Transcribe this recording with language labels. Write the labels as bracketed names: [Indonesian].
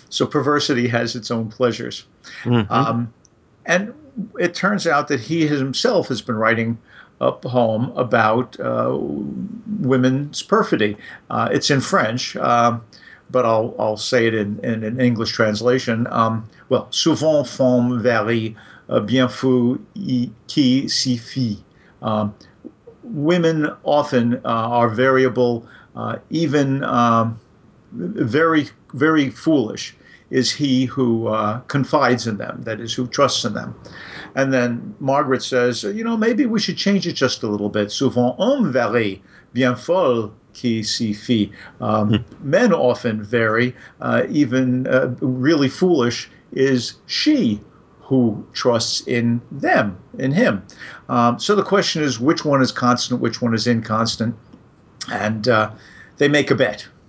[English] So perversity has its own pleasures. And it turns out that he himself has been writing a poem about women's perfidy. It's in French, but I'll say it in an English translation. [French] Souvent femme varie, bien fou qui s'y fie. [English] Women often are variable, even very, very foolish is he who confides in them, that is, who trusts in them. And then Margaret says, you know, maybe we should change it just a little bit. [French] Souvent, hommes varient, bien folle qui s'y fie. [English] Men often vary, really foolish is she who trusts in them, in him. So the question is, which one is constant, which one is inconstant? And they make a bet.